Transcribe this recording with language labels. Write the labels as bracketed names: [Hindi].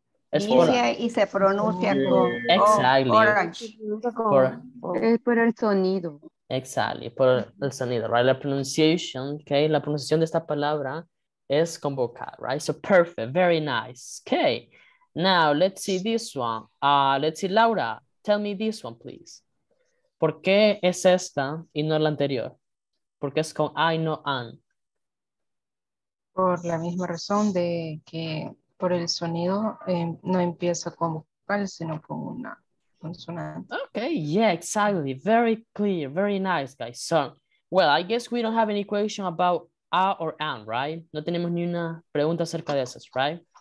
[Spanish] Es inicia hola. Y se pronuncia con. [English] Exactly. [Spanish] Es por el sonido. [English] Exactly, [Spanish] por el sonido, right? La pronunciation, okay? La pronunciación de esta palabra es con vocal, right? [English] So perfect, very nice. Okay, now let's see this one. Let's see, Laura, tell me this one, please. [Spanish] ¿Por qué es esta y no la anterior? Porque es con I, no an. Por la misma razón de que por el sonido no empieza con vocal, sino con una. [English] Okay, yeah, exactly. Very clear. Very nice, guys. So, well, I guess we don't have any question about a or an, right? [Spanish] No tenemos ni una pregunta acerca de esas, right?